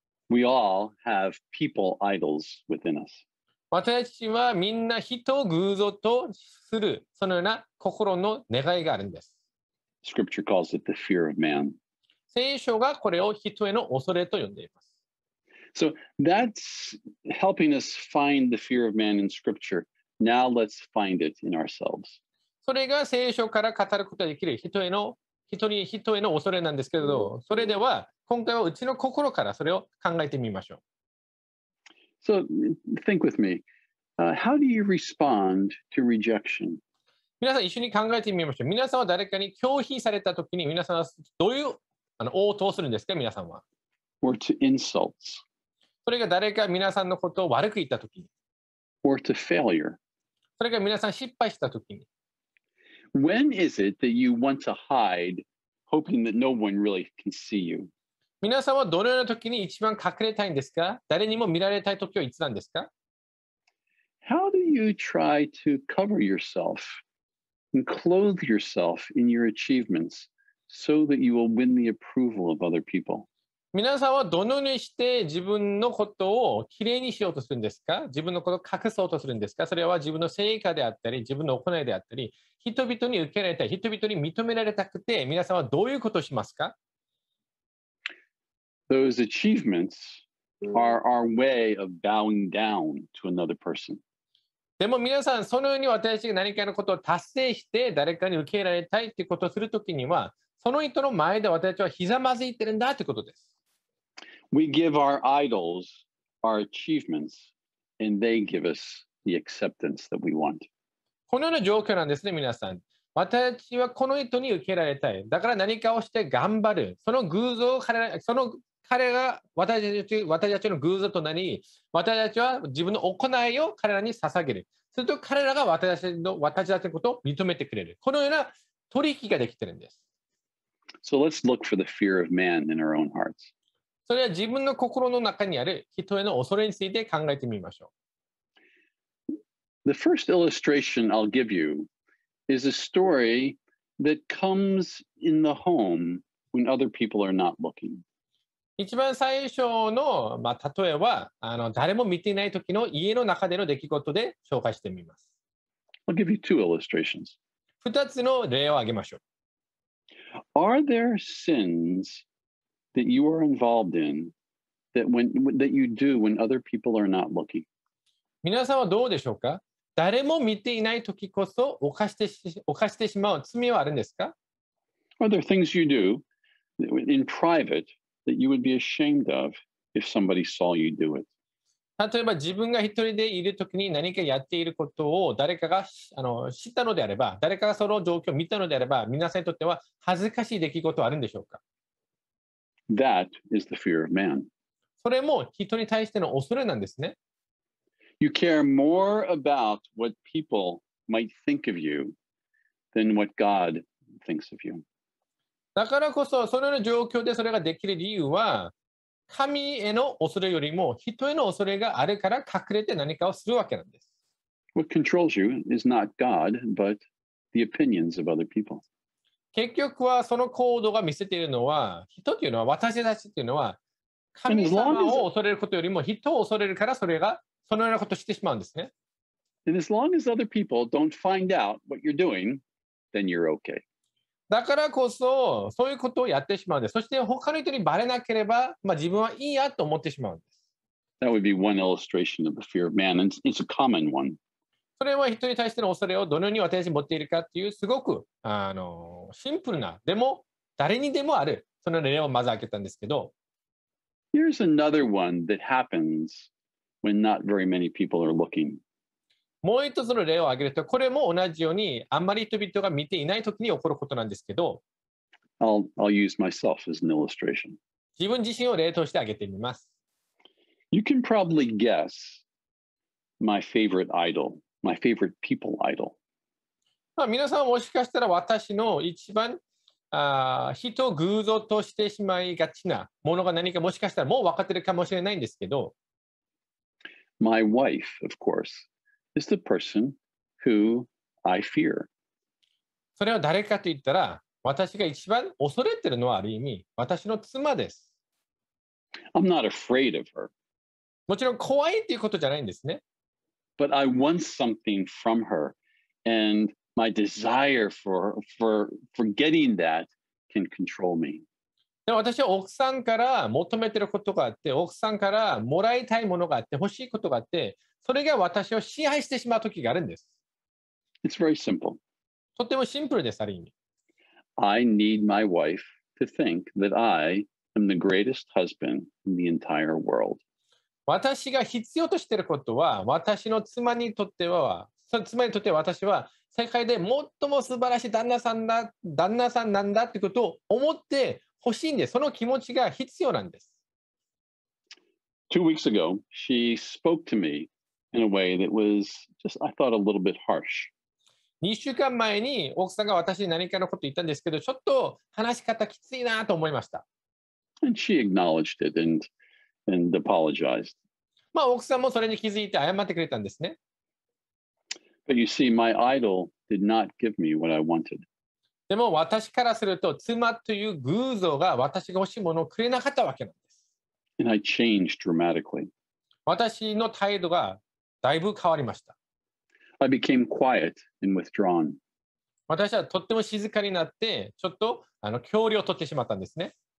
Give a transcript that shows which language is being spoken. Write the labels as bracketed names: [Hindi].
[English] We all have people idols within us. [Japanese] 私はみんな人を偶像とするそのような心の願いがあるんです。 [English] Scripture calls it the fear of man. [Japanese] 聖書がこれを人への恐れと呼んでいます。 [English] So that's helping us find the fear of man in Scripture. Now let's find it in ourselves. [Japanese] それが聖書から語ることができる人への人に人への恐れなんですけど、それでは今回はうちの心からそれを考えてみましょう。 [English] So, think with me. How do you respond to rejection? [Japanese] 皆さん一緒に考えてみましょう。皆さんは誰かに拒否されたときに皆さんはどういう応答するんですか、皆さんは。 [English] Or to insults. [Japanese] それが誰か皆さんのことを悪く言ったときに。 [English] Or to failure. [Japanese] それが皆さん失敗したときに。 [English] When is it that you want to hide, hoping that no one really can see you? [Japanese] 皆さんはどのような時に一番隠れたいんですか？誰にも見られたい時はいつなんですか？ [English] How do you try to cover yourself and clothe yourself in your achievements so that you will win the approval of other people? [Japanese] 皆さんはどのようにして自分のことをきれいにしようとするんですか？自分のことを隠そうとするんですか？それは自分の成果であったり、自分の行いであったり、人々に受け入れたい、人々に認められたくて、皆さんはどういうことをしますか？ [English] Those achievements are our way of bowing down to another person. [Japanese] でも皆さん、そのように私が何かのことを達成して、誰かに受け入れられたいということをするときには、その人の前で私はひざまずいてるんだということです。 [English] We give our idols our achievements and they give us the acceptance that we want. [Japanese] このような状況なんですね、皆さん。私はこの人に受け入れられたい。だから何かをして頑張る。その偶像を彼ら、その彼が私たちの偶像となり、私たちは自分の行いを彼らに捧げる。すると彼らが私たちのことを認めてくれる。このような取引ができているんです。 [English] So let's look for the fear of man in our own hearts. [Japanese] それは自分の心の中にある人への恐れについて考えてみましょう。 [English] The first illustration I'll give you is a story that comes in the home when other people are not looking. [Japanese] 一番最初の、例えは誰も見ていない時の家の中での出来事で紹介してみます。 [English] I'll give you two illustrations. [Japanese] 二つの例を挙げましょう。 [English] Are there sins? That you are involved in, that you do when other people are not looking. [Japanese] 皆さんはどうでしょうか？誰も見ていない時こそ犯してしまう罪はあるんですか？ [English] Are there things you do in private that you would be ashamed of if somebody saw you do it? [Japanese] 例えば自分が一人でいる時に何かやっていることを誰かが知ったのであれば、誰かがその状況を見たのであれば、皆さんにとっては恥ずかしい出来事はあるんでしょうか？ [English] That is the fear of man. [Japanese] それも人に対しての恐れなんですね。 [English] You care more about what people might think of you than what God thinks of you. [Japanese] だからこそ、そのような状況でそれができる理由は、神への恐れよりも人への恐れがあるから隠れて何かをするわけなんです。 [English] What controls you is not God, but the opinions of other people. [Japanese] 結局はその行動が見せているのは、人というのは、私たちというのは、神様を恐れることよりも人を恐れるから、それがそのようなことをしてしまうんですね。 [English] And as long as other people don't find out what you're doing, then you're okay. [Japanese] だからこそ、そういうことをやってしまうんです。そして他の人にバレなければ、自分はいいやと思ってしまうんです。 [English] That would be one illustration of the fear of man, and it's a common one. [Japanese] それは人に対しての恐れをどのように私に持っているかというすごくシンプルな、でも誰にでもある、その例をまず挙げたんですけど。 [English] Here's another one that happens when not very many people are looking. [Japanese] もう一つの例を挙げると、これも同じようにあんまり人々が見ていないときに起こることなんですけど。 [English] I'll use myself as an illustration. [Japanese] 自分自身を例として挙げてみます。 [English] You can probably guess my favorite idol. My favorite people idol. [Japanese] 皆さんもしかしたら私の一番人偶像としてしまいがちなものが何かもしかしたらもう分かってるかもしれないんですけど。 [English] My wife, of course, is the person who I fear. [Japanese] それは誰かと言ったら私が一番恐れてるのはある意味私の妻です。 [English] I'm not afraid of her. [Japanese] もちろん怖いっていうことじゃないんですね。 [English] But I want something from her, and my desire for getting that can control me. [Japanese] でも私は奥さんから求めてることがあって、奥さんからもらいたいものがあって、欲しいことがあって、それが私を支配してしまう時があるんです。 [English] It's very simple. [Japanese] とてもシンプルです、ある意味。 [English] I need my wife to think that I am the greatest husband in the entire world. [Japanese] 私が必要としていることは、私の妻にとっては、妻にとっては私は世界で最も素晴らしい旦那さんだ、旦那さんなんだということを思ってほしいんです。その気持ちが必要なんです。 [English] Two weeks ago, she spoke to me in a way that was just, I thought, a little bit harsh. [Japanese] 2週間前に奥さんが私に何かのことを言ったんですけど、ちょっと話し方きついなと思いました。 [English] And she acknowledged it and apologized. [Japanese] まあ奥さんもそれに気づいて謝ってくれたんですね。 [English] But you see, my idol did not give me what I wanted. [Japanese] でも私からすると、妻という偶像が私が欲しいものをくれなかったわけなんです。 [English] And I changed dramatically. [Japanese] 私の態度がだいぶ変わりました。 [English] I became quiet and withdrawn. [Japanese] 私はとっても静かになって、ちょっと距離を取ってしまったんですね。